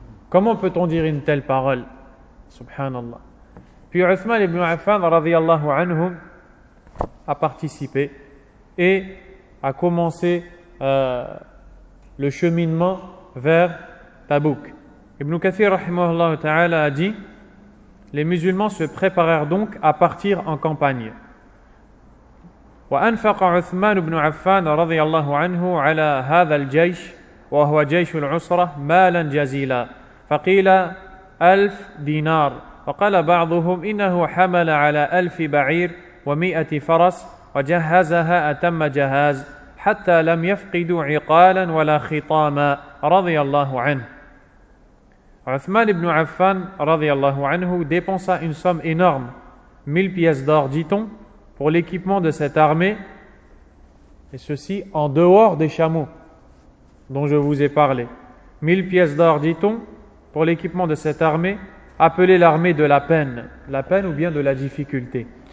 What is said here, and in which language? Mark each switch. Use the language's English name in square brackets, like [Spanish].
[French] Comment peut-on dire une telle parole? Subhanallah. Puis Uthman ibn Affan radiallahu anhu a participé et a commencé le cheminement vers Tabouk. Ibn Kathir rahimahullah ta'ala a dit: les musulmans se préparèrent donc à partir en campagne. [Arabic] وأنفق عثمان بن عفان رضي الله عنه على هذا الجيش وهو جيش العسرة مالا جزيلا فقيل 1000 دينار وقال بعضهم إنه حمل على 1000 بعير ومئة فرس وجهزها أتم جهاز حتى لم يفقدوا عقالا ولا خطاما رضي الله عنه. [French] عثمان بن عفان رضي الله عنه dépensa une somme énorme, 1000 pièces d'or dit-on, pour l'équipement de cette armée, et ceci en dehors des chameaux dont je vous ai parlé. 1000 pièces d'or, dit-on, pour l'équipement de cette armée, appelée l'armée de la peine ou bien de la difficulté.